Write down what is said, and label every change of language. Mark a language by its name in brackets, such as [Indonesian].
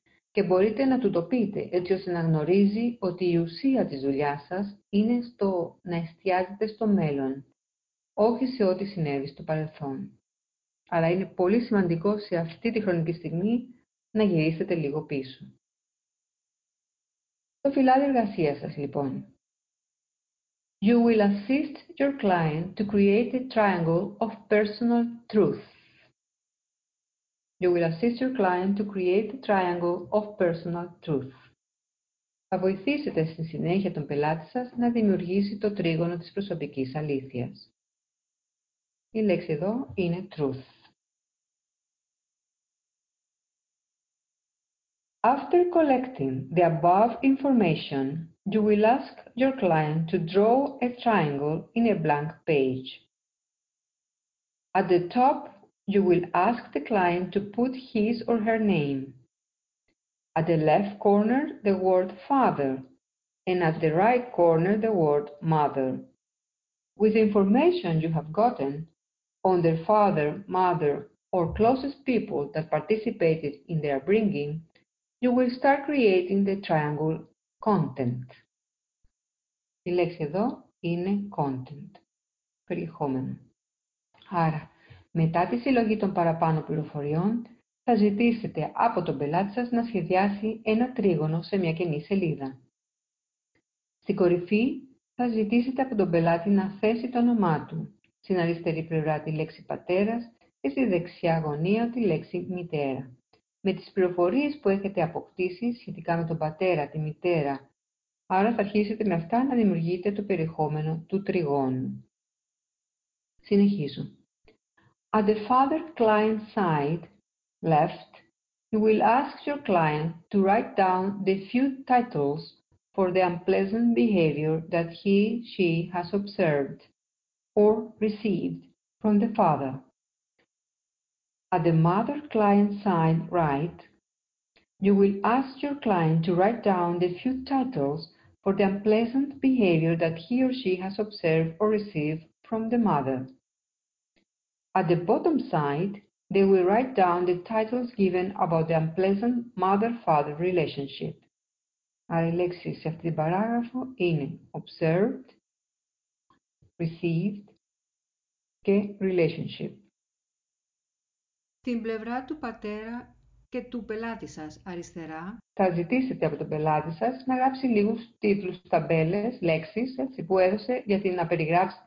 [Greek] Και μπορείτε να του το πείτε, έτσι ώστε να γνωρίζει ότι η ουσία της δουλειάς σας είναι στο να εστιάζετε στο μέλλον, όχι σε ό,τι συνέβη στο παρελθόν. Αλλά είναι πολύ σημαντικό σε αυτή τη χρονική στιγμή να γυρίσετε λίγο πίσω. Το φυλάδι εργασίας σας, λοιπόν. [English] You will assist your client to create a triangle of personal truth. You will assist your client to create a triangle of personal truth. [Greek] Θα βοηθήσετε στη συνέχεια τον πελάτη σας να δημιουργήσει το τρίγωνο της προσωπικής αλήθειας. Η λέξη εδώ είναι truth. [English] After collecting the above information, you will ask your client to draw a triangle in a blank page. At the top, you will ask the client to put his or her name. At the left corner, the word father, and at the right corner, the word mother. With the information you have gotten on their father, mother, or closest people that participated in their bringing, you will start creating the triangle content. [Greek] Η λέξη εδώ είναι content. περιεχόμενο. Άρα, μετά τη συλλογή των παραπάνω πληροφοριών, θα ζητήσετε από τον πελάτη σας να σχεδιάσει ένα τρίγωνο σε μια κενή σελίδα. Στην κορυφή, θα ζητήσετε από τον πελάτη να θέσει το όνομά του, στην αριστερή πλευρά τη λέξη «πατέρας» και στη δεξιά γωνία τη λέξη «μητέρα». Με τις πληροφορίες που έχετε αποκτήσει σχετικά με τον πατέρα, τη μητέρα, άρα θα αρχίσετε με αυτά να δημιουργείτε το περιεχόμενο του τριγώνου. Συνεχίζω. [English] At the father client side, left, you will ask your client to write down the few titles for the unpleasant behavior that he/she has observed or received from the father. At the mother client side, right, you will ask your client to write down the few titles for the unpleasant behavior that he or she has observed or received from the mother. At the bottom side, they will write down the titles given about the unpleasant mother-father relationship. [Greek] Άρα, η λέξη σε αυτήν την παράγραφο είναι observed, received και relationship. Την πλευρά του πατέρα και του πελάτη σας αριστερά, θα ζητήσετε από τον πελάτη σας να γράψει λίγους τίτλους, ταμπέλες, λέξεις, έτσι, που έδωσε για την να περιγράψει